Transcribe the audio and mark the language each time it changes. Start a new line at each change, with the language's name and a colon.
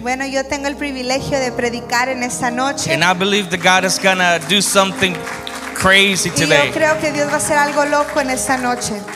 Spanish: Bueno, yo tengo el privilegio de predicar en esta noche.
English: And I believe that God is gonna do something crazy today.
Spanish: Y yo creo que Dios va a hacer algo loco en esta noche.